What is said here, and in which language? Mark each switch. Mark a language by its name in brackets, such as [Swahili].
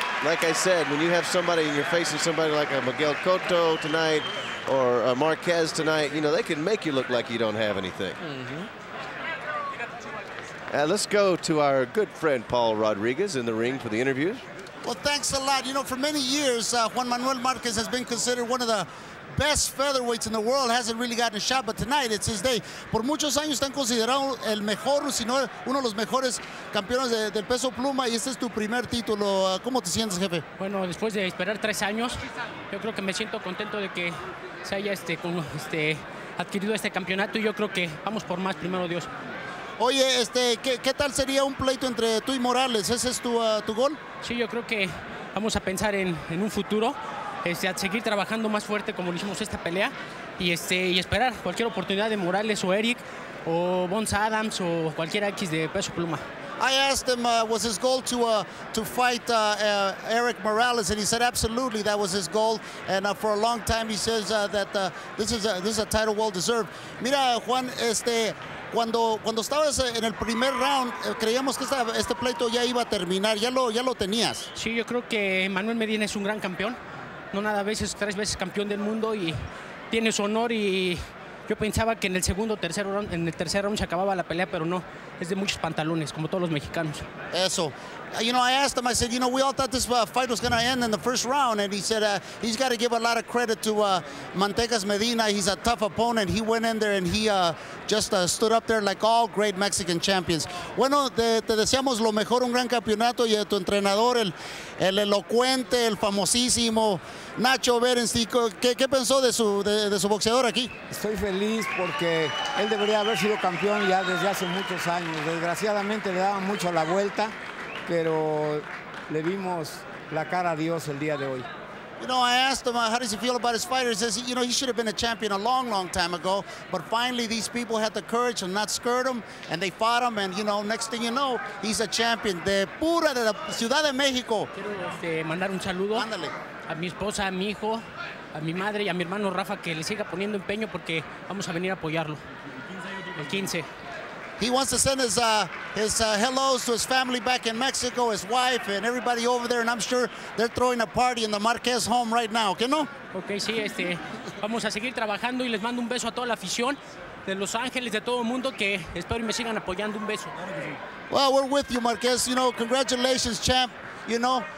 [English] Like I said, when you have somebody and you're facing somebody like a Miguel Cotto tonight or a Marquez tonight, you know, they can make you look like you don't have anything. Mm-hmm. Let's go to our good friend Paul Rodriguez in the ring for the interview. Well, thanks a lot. You know, for many years, Juan Manuel Marquez has been considered one of the best featherweights in the world. Hasn't really gotten a shot, but tonight it's his day. [Spanish] Por muchos años están considerado el mejor, si no uno de los mejores campeones del peso pluma, y este es tu primer título. ¿Cómo te sientes, jefe? Bueno, después de esperar 3 años, yo creo que me siento contento de que se haya adquirido este campeonato, y yo creo que vamos por más, primero Dios. Oye, ¿qué tal sería un pleito entre tú y Morales? ¿Ese es tu gol? Sí, yo creo que vamos a pensar en un futuro, a seguir trabajando más fuerte como lo hicimos esta pelea y esperar cualquier oportunidad de Morales o Eric o Bones Adams o cualquier X de peso pluma. [English] I asked him, was his goal to fight Eric Morales, and he said absolutely that was his goal. And for a long time, he says that this is a title well deserved. [Spanish] Mira, Juan, cuando estabas en el primer round, creíamos que este pleito ya iba a terminar. Ya lo tenías. Sí, yo creo que Manuel Medina es un gran campeón. No nada veces, tres veces campeón del mundo y tiene su honor y yo pensaba que en el segundo o tercer round, en el tercer round se acababa la pelea, pero no. Es de muchos pantalones, como todos los mexicanos. Eso. [English] You know, I asked him, I said, you know, we all thought this fight was going to end in the first round. And he said he's got to give a lot of credit to Mantecas Medina. He's a tough opponent. He went in there and he just stood up there like all great Mexican champions. [Spanish] Bueno, te deseamos lo mejor, un gran campeonato. Y a tu entrenador, el elocuente, el famosísimo Nacho Berenstein. ¿Qué pensó de su boxeador aquí? Estoy feliz porque él debería haber sido campeón ya desde hace muchos años. Desgraciadamente le daba mucho la vuelta. Pero le vimos la cara a Dios el día de hoy. [English] You know, I asked him, how does he feel about his fighter? He says, you know, he should have been a champion a long, long time ago. But finally, these people had the courage and not scared him. And they fought him. And, you know, next thing you know, he's a champion. [Spanish] De pura de la Ciudad de México. Quiero mandar un saludo. Ándale. A mi esposa, a mi hijo, a mi madre y a mi hermano Rafa, que le siga poniendo empeño porque vamos a venir a apoyarlo. El 15. [English] He wants to send his hellos to his family back in Mexico, his wife and everybody over there, and I'm sure they're throwing a party in the Marquez home right now, [Spanish] ¿qué no? Okay, sí, vamos a seguir trabajando y les mando un beso a toda la afición de Los Ángeles, de todo el mundo, que espero y me sigan apoyando, un beso. [English] Well, we're with you, Marquez, you know, congratulations, champ, you know.